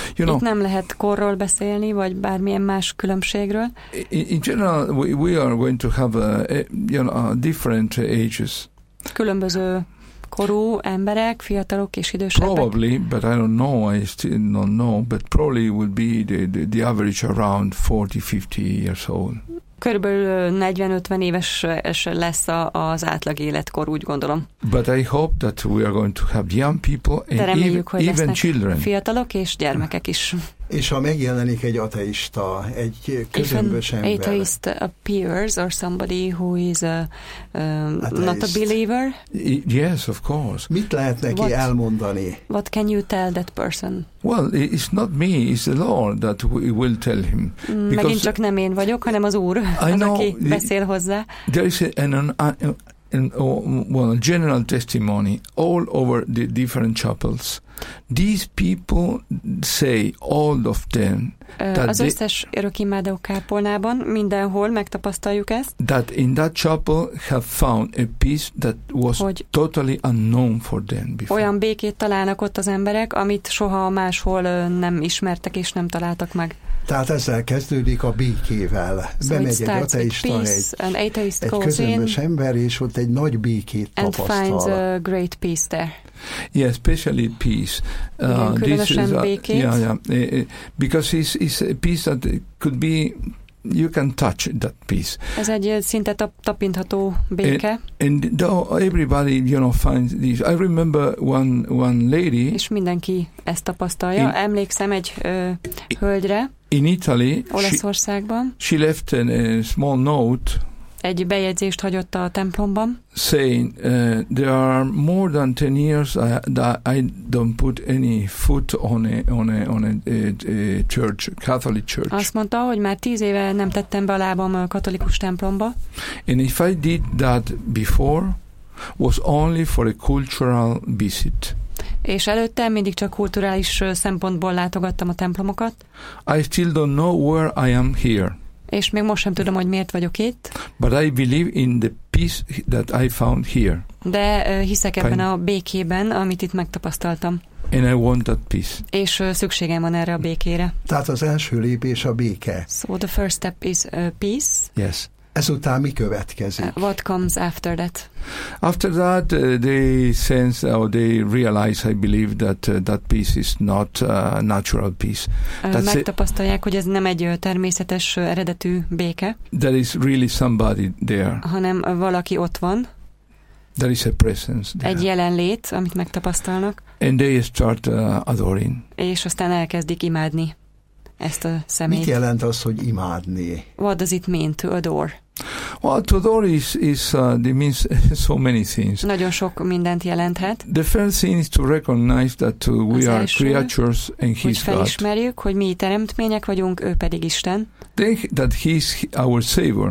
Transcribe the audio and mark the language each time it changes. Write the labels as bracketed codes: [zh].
[en] You know, [hu] itt nem lehet korról beszélni, vagy bármilyen más különbségről. [en] In general, we are going to have different ages. [hu] Különböző korú emberek, fiatalok és idősebbek. [en] Probably, but I don't know, I still don't know, but probably would be the average around 40-50 years old. [hu] Körülbelül 40-50 éves lesz az átlag életkor, úgy gondolom. [en] But I hope that we are going to have young people and even children. [hu] Fiatalok és gyermekek is. És ha megjelenik egy ateista, egy közömbös ember. [en] If an atheist appears or somebody who is not a believer. Yes, of course. [hu] Mit lehet neki elmondani? [en] What can you tell that person? Well, it's not me, it's the Lord that will tell him. [hu] Megint csak nem én vagyok, hanem az Úr, aki beszél hozzá. [en] There is a general testimony all over the different chapels. These people say, all of them, [hu] az összes örökimádó kápolnában mindenhol megtapasztaljuk ezt. [en] That in that chapel have found a peace that was totally unknown for them before. [hu] Olyan békét találnak ott az emberek, amit soha máshol nem ismertek és nem találtak meg. Tehát ezzel kezdődik a békével. [en] So [hu] bemegy egy ateista, egy közömbös ember, és ott egy nagy békét tapasztal. [en] And finds a great peace there. Yeah, especially peace. [hu] Különösen békét. [en] Because it's a peace that could be you can touch that peace. [hu] Ez egy szinte tapintható béke. [en] And everybody, you know, finds this. I remember one lady. [hu] És mindenki ezt tapasztalja. Emlékszem egy hölgyre. [en] In Italy, [hu] Olaszországban. [en] She left a small note. [hu] Egy bejegyzést hagyott a templomban. [en] Saying there are more than 10 years I don't put any foot on a church, Catholic church. [hu] Azt mondta, hogy már 10 éve nem tettem be a lábam a katolikus templomba. [en] And if I did that before, was only for a cultural visit. [hu] És előtte mindig csak kulturális szempontból látogattam a templomokat. [en] I still don't know where I am here. [hu] És még most sem tudom, hogy miért vagyok itt. [en] But I believe in the peace that I found here. [hu] De hiszek ebben a békében, amit itt megtapasztaltam. [en] And I want that peace. [hu] És szükségem van erre a békére. Tehát az első lépés a béke. [en] So the first step is peace. Yes. [hu] Ezután mi következik? [en] What comes after that? After that, they sense or they realize, I believe, that that peace is not natural peace. [hu] Megtapasztalják, hogy ez nem egy természetes eredetű béke. [en] There is really somebody there. [hu] Hanem valaki ott van. [en] There is a presence there. [hu] Egy jelenlét, amit megtapasztalnak. [en] And they start adoring. [hu] És aztán elkezdik imádni. Ezt a személyt. Mit jelent az, hogy imádni? [en] What does it mean to adore? Well, to adore it means so many things. [hu] Nagyon sok mindent jelenthet. [en] The first thing is to recognize that we [hu] az [en] are [hu] első, [en] creatures and He's God. [hu] Hogy felismerjük, hogy mi teremtmények vagyunk, ő pedig Isten. [en] Think that He's our Savior.